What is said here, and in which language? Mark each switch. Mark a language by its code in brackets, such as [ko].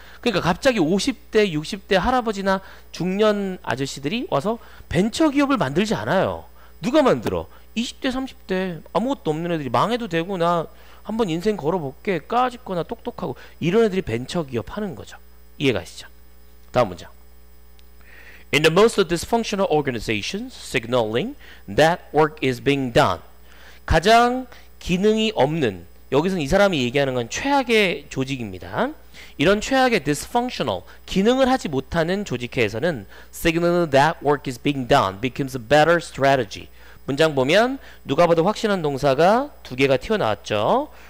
[ko] 그러니까 갑자기 50대, 60대 할아버지나 중년 아저씨들이 와서 벤처 기업을 만들지 않아요. 누가 만들어? 20대, 30대 아무것도 없는 애들이 망해도 되고 나 한번 인생 걸어볼게 까짓거나 똑똑하고 이런 애들이 벤처 기업 하는 거죠. 이해가시죠? 다음 문장. [en] In the most dysfunctional organizations, signaling that work is being done. [ko] 가장 기능이 없는, 여기서는 이 사람이 얘기하는 건 최악의 조직입니다. 이런 최악의 [en] dysfunctional, [ko] 기능을 하지 못하는 조직회에서는 [en] signaling that work is being done becomes a better strategy. [ko] 문장 보면 누가 봐도 확실한 동사가 두 개가 튀어나왔죠.